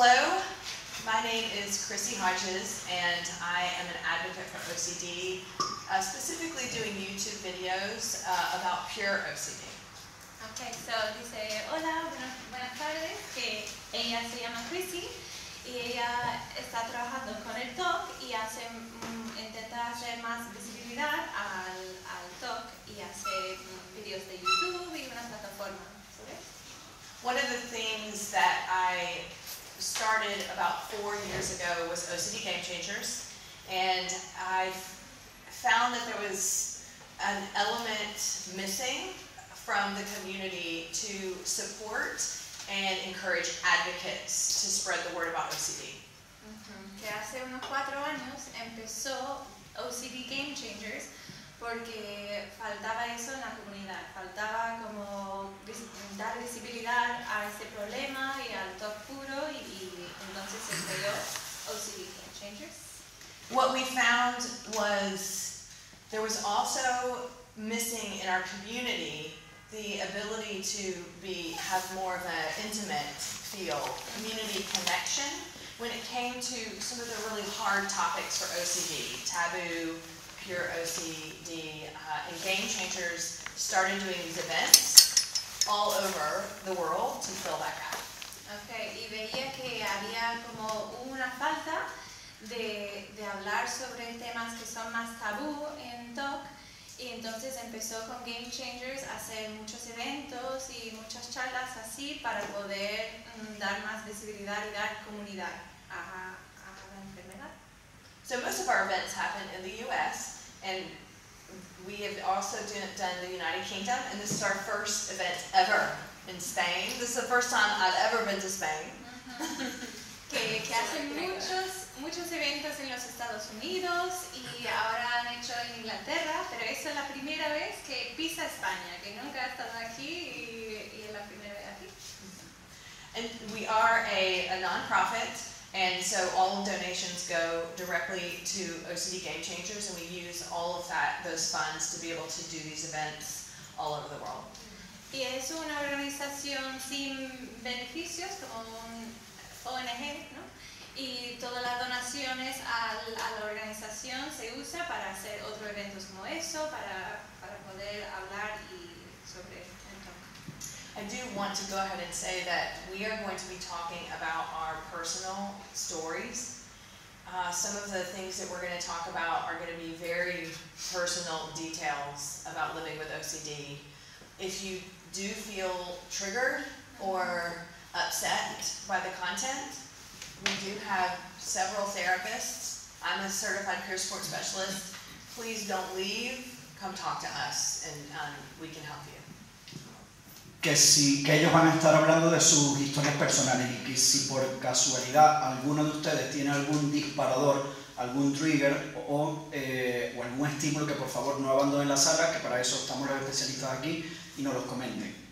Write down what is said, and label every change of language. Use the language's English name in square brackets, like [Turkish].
[English] Chrissy Hodges, and I am an advocate for OCD, specifically doing YouTube videos about pure OCD. [Spanish] Okay, so dice, hola, buenas tardes, que ella se llama Chrissy, y ella está trabajando con el TOC y hace, intenta hacer más visibilidad al TOC y hace videos de YouTube y una plataforma. Okay. [English] One of the things that I started about 4 years ago was OCD Game Changers, and I found that there was an element missing from the community to support and encourage advocates to spread the word about OCD. Mm-hmm. [Spanish] Que hace unos 4 años empezó OCD Game Changers porque faltaba eso en la comunidad, faltaba como dar visibilidad a este problema y al TOC puro y entonces se creó OCD Game Changers. [English] What we found was there was also missing in our community the ability to have more of an intimate feel, community connection, when it came to some of the really hard topics for OCD, taboo, pure OCD, and Game Changers started doing these events all over the world to fill that gap. [Spanish] Okay, y veía que había como una falta de hablar sobre temas que son más tabú en TOC, Y entonces empezó con Game Changers a hacer muchos eventos y muchas charlas así para poder dar más visibilidad y dar comunidad a la enfermedad. [English] So most of our events happen in the US, and we have also done the United Kingdom, and this is our first event ever in Spain. This is the first time I've ever been to Spain. [Spanish] que hacen muchos eventos en los Estados Unidos y ahora han hecho en Inglaterra, pero esta es la primera vez que pisa España, que nunca ha estado aquí y es la primera vez aquí. [English] And we are a non-profit, and so all donations go directly to OCD Game Changers, and we use all of that, those funds, to be able to do these events all over the world. [Spanish] Y es una organización sin beneficios, como un ONG, ¿no? Y todas las donaciones a la organización se usa para hacer otros eventos como eso, para poder hablar y sobre esto. [English] I do want to go ahead and say that we are going to be talking about our personal stories. Some of the things that we're going to talk about are going to be very personal details about living with OCD. If you do feel triggered or upset by the content, we do have several therapists. I'm a certified peer support specialist. Please don't leave. Come talk to us, and we can help you. [Spanish] Que si que ellos van a estar hablando de sus historias personales, y que si por casualidad alguno de ustedes tiene algún disparador, algún trigger o algún estímulo, que por favor no abandonen la sala, que para eso estamos los especialistas aquí, y nos los comenten.